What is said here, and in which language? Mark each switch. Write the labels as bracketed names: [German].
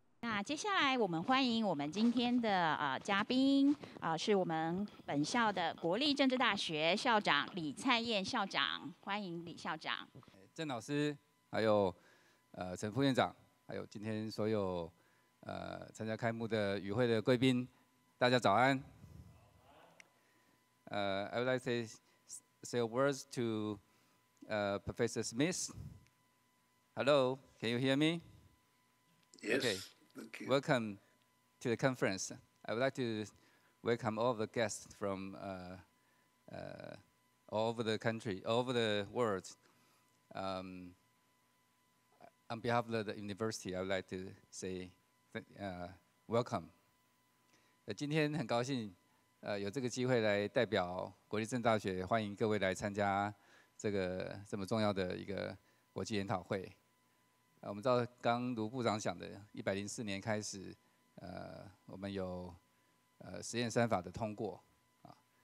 [Chinese] 那接下来，我们欢迎我们今天的嘉宾，是我们本校的国立政治大学校长李灿彦校长，欢迎李校长。郑老师，还有陈副院长，还有今天所有参加开幕的与会的贵宾，大家早安。 [English] I would like to say a word to Professor Smith. Hello, can you hear me? Okay. Yes. Thank you. Welcome to the conference. I would like to welcome all the guests from all over the country, all over the world. On behalf of the university, I would like to say welcome. [Chinese] 今天很高兴有这个机会来代表国立政治大学，欢迎各位来参加这么重要的一个国际研讨会。我们知道，刚卢部长讲的，104年开始，我们有实验三法的通过啊。